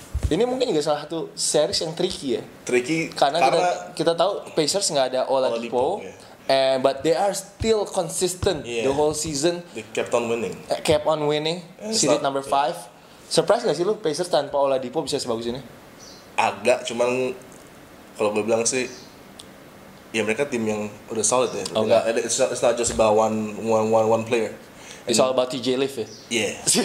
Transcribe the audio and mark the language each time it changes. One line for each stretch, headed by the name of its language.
Indonesian: Ini mungkin juga salah satu series yang tricky ya.
English: Tricky
Indonesian: karena kita tahu Pacers enggak ada Oladipo.
English: Yeah. But they are still consistent the whole season. They kept on winning. Seeded number 5.
Indonesian: Surprise enggak sih lu Pacers tanpa Oladipo bisa sebagus ini? Agak, cuman kalau gue bilang sih ya mereka tim yang udah solid ya.
English: Okay. It's not just about one player. It's all about TJ Leaf ya? Yeah.